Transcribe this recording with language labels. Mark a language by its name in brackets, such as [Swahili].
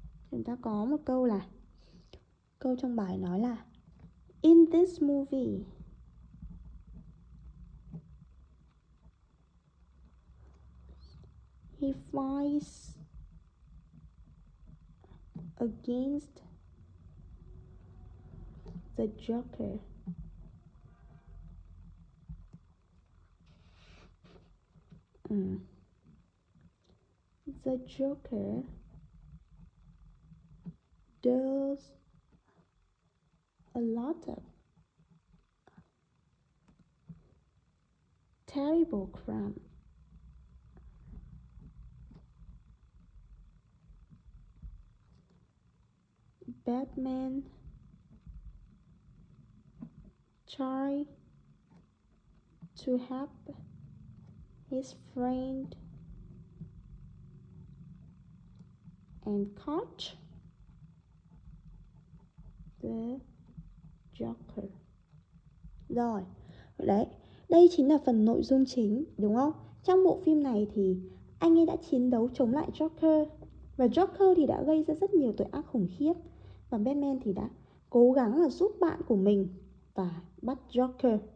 [Vietnamese] Chúng ta có một câu là, câu trong bài nói là [English] in this movie he fights against the Joker. The Joker does a lot of terrible crime. Batman try to help his friend and catch the Joker. [Vietnamese] Rồi, đấy, đây chính là phần nội dung chính, đúng không? Trong bộ phim này thì anh ấy đã chiến đấu chống lại Joker và Joker thì đã gây ra rất nhiều tội ác khủng khiếp và Batman thì đã cố gắng là giúp bạn của mình và bắt Joker.